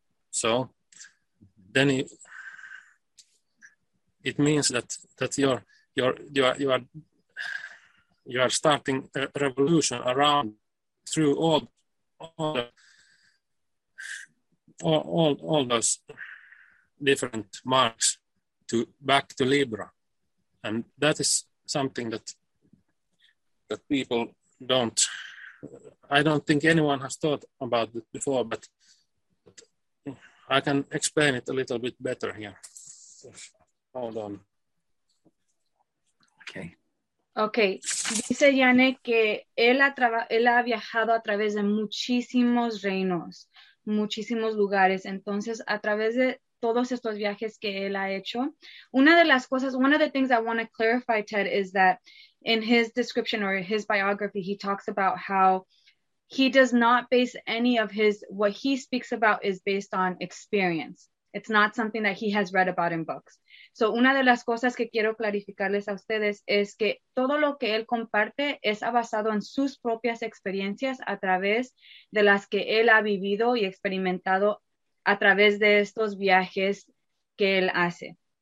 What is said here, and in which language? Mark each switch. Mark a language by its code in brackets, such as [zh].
[en] So then it means that you are starting a revolution around through all those different marks to back to Libra, and that is something that people don't. I don't think anyone has thought about it before, but I can explain it a little bit better here. Hold on. Okay. [es] Dice Janne que él ha viajado a través de muchísimos reinos, muchísimos lugares. Entonces, a través de todos estos viajes que él ha hecho, una de las cosas, [en] one of the things I want to clarify, Ted, is that in his description or his biography, he talks about how he does not base any of his, what he speaks about is based on experience. It's not something that he has read about in books. [es] So una de las cosas que quiero clarificarles a ustedes es que todo lo que él comparte es basado en sus propias experiencias a través de las que él ha vivido y experimentado a través de estos viajes que él hace.